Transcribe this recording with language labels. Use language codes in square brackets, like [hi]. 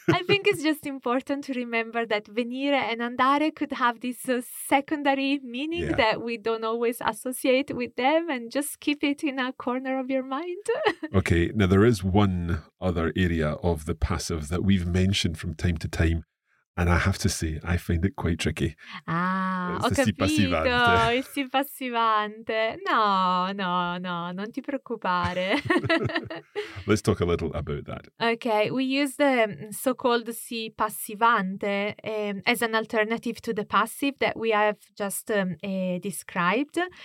[en] I think it's just important to remember that venire and andare could have this secondary meaning that we don't always associate with them, and just keep it in a corner of your mind. Okay, now there is one other area of the passive that we've mentioned from time to time, and I have to say, I find it quite tricky. [it] Ah, ho capito, il si passivante. No, non ti preoccupare. [en] Let's talk a little about that. Okay, we use the so-called si passivante as an alternative to the passive that we have just described.